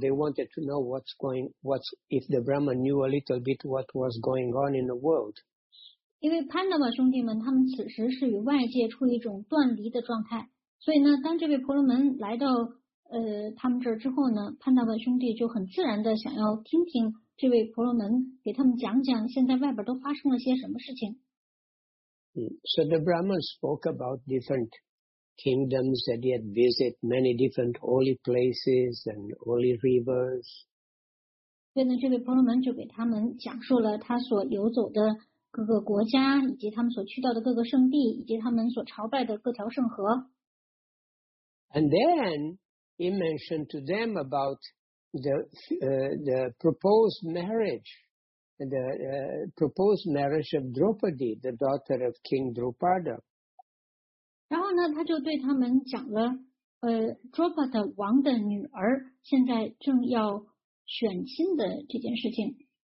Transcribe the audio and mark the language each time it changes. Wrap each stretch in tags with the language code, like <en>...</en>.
<en>They wanted to know what's if the Brahman knew a little bit what was going on in the world.</en> <zh>因为 Pandava 兄弟们他们此时是与外界处一种断离的状态，所以呢，当这位婆罗门来到他们这儿之后呢，潘达文兄弟就很自然的想要听听这位婆罗门给他们讲讲现在外边都发生了些什么事情。</zh> <en>So the Brahman spoke about different kingdoms that he had visited, many different holy places and holy rivers.</en> <zh>所以呢，这位婆罗门就给他们讲述了他所游走的各个国家，以及他们所去到的各个圣地，以及他们所朝拜的各条圣河。</zh> <en>And then,He mentioned to them about the proposed marriage of Draupadi, the daughter of King Draupada.</en> <zh>然后呢，他就对他们讲了Draupada 王的女儿现在正要选亲的这件事情。</zh>